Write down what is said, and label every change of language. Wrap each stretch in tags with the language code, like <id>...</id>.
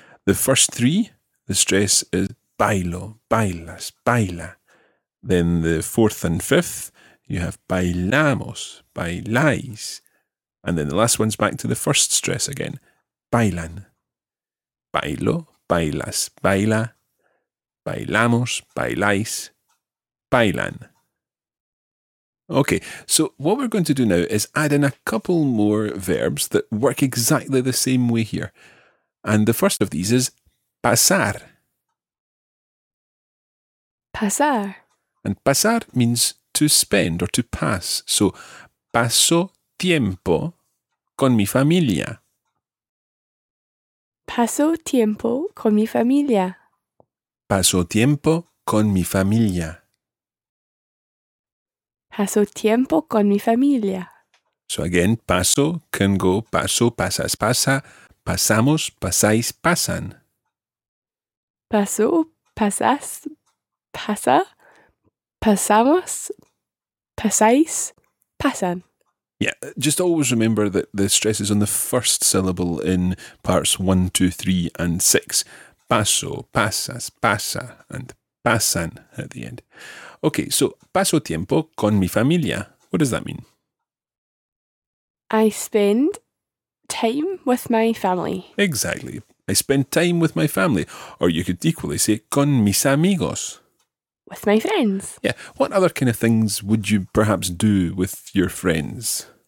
<en>The first three, the stress is</en> <es>bailo, bailas, baila.</es> <en>Then the fourth and fifth, you have</en> <es>bailamos, bailáis.</es> <en>And then the last one's back to the first stress again.</en> <es>Bailan. Bailo, bailas, baila. Bailamos, bailáis, bailan.</es> <en>Okay, so what we're going to do now is add in a couple more verbs that work exactly the same way here. And the first of these is pasar.</en> <es>Pasar.</es> <en>And pasar means to spend or to pass. So</en> <es>paso tiempo con mi familia. Paso tiempo con mi familia. Paso tiempo con mi familia. Paso tiempo con mi familia. So again, paso, can go, paso, pasas, pasa, pasamos, pasáis, pasan. Paso, pasas, pasa, pasamos, pasáis, pasan.</es> <en>Yeah, just always remember that the stress is on the first syllable in parts 1, 2, 3 and 6.</en> <es>Paso, pasas, pasa</es> <en>and pasan at the end.</en> <es>Okay, so paso tiempo con mi familia.</es> <en>What does that mean? I spend time with my family. Exactly. I spend time with my family. Or you could equally say</en> <es>con mis amigos.</es> <en>With my friends. Yeah. What other kind of things would you perhaps do with your friends?</en>